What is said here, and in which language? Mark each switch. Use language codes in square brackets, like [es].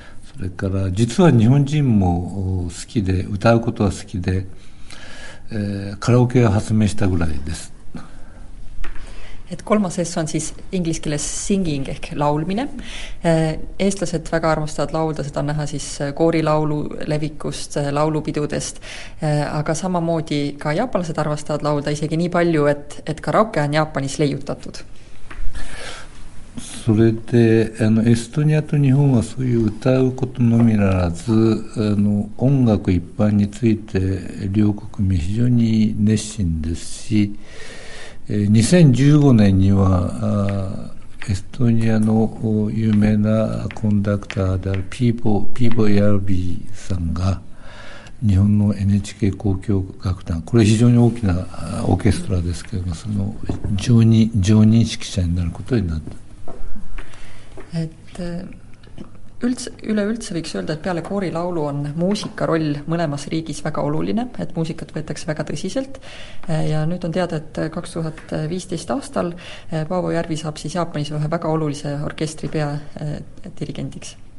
[ja] それから実は日本人も好きで歌うことは好きで、カラオケを発明したぐらいです。 [et] Et kolmas S on siis inglise keeles singing ehk laulmine. Eestlased väga armastavad laulda, seda on näha siis koorilaulu levikust, laulupidudest. Aga samamoodi ka jaapanlased armastavad laulda isegi nii palju, et karaoke on Jaapanis leiutatud. [ja] それでエストニアと日本はそういう歌うことのみならず音楽一般について両国民非常に熱心ですし 2015年にはエストニアの有名なコンダクターであるピーボ・ヤルビーさんが日本の NHK 交響楽団これ非常に大きなオーケストラですけれどもその常任指揮者になることになった。 [et] Et üleüldse võiks öelda, et peale koorilaulu on muusika roll mõlemas riigis väga oluline, et muusikat võetakse väga tõsiselt. Ja nüüd on teada, et 2015 aastal Paavo Järvi saab siis Jaapanis ühe väga olulise orkestri pea dirigendiks.